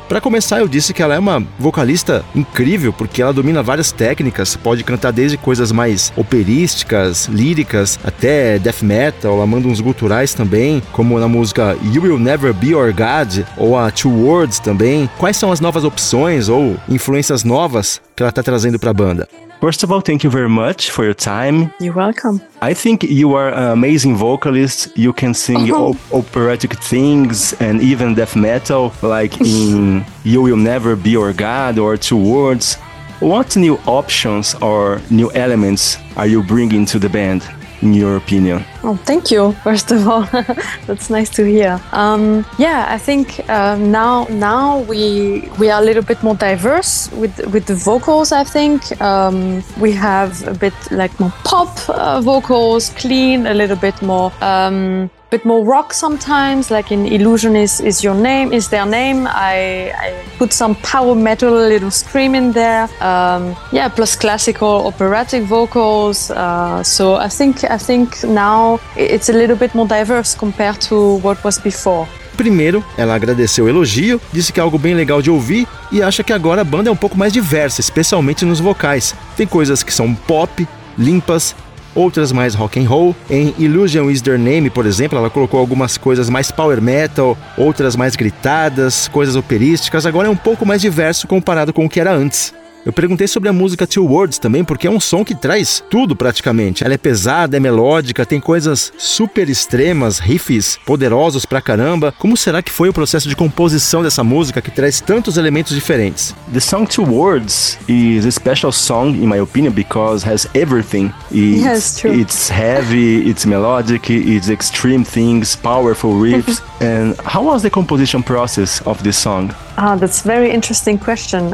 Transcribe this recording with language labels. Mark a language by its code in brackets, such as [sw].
[pt] Para começar, eu disse que ela é uma vocalista incrível, porque ela domina várias técnicas, pode cantar desde coisas mais operísticas, líricas, até death metal, ela manda uns guturais também, como na música You Will Never Be Your God, ou a Two Words também. tem? Quais são as novas opções ou influências novas que ela tá trazendo pra banda? [en] First of all, thank you very much for your time. You're welcome. I think you are an amazing vocalist. You can sing operatic things and even death metal, like in You Will Never Be Your God or Two Words. What new options or new elements are you bringing to the band, in your opinion? Oh, thank you, first of all. That's nice to hear. I think now we are a little bit more diverse with the vocals, I think. We have a bit like more pop vocals, clean, a little bit more... bit more rock sometimes, like in Illusion is your name, is their name. I put some power metal, a little scream in there. Plus classical operatic vocals. So I think now it's a little bit more diverse compared to what was before. [pt] Primeiro, ela agradeceu o elogio, disse que é algo bem legal de ouvir e acha que agora a banda é um pouco mais diversa, especialmente nos vocais. Tem coisas que são pop, limpas, outras mais rock and roll. Em Illusion Is Their Name, por exemplo, ela colocou algumas coisas mais power metal, outras mais gritadas, coisas operísticas. Agora é um pouco mais diverso comparado com o que era antes. Eu perguntei sobre a música Two Words também, porque é um som que traz tudo praticamente. Ela é pesada, é melódica, tem coisas super extremas, riffs poderosos pra caramba. Como será que foi o processo de composição dessa música que traz tantos elementos diferentes? [en] The song Two Words is a special song, in my opinion, because it has everything. It's heavy, it's melodic, it's extreme things, powerful riffs. And how was the composition process of this song? That's a very interesting question.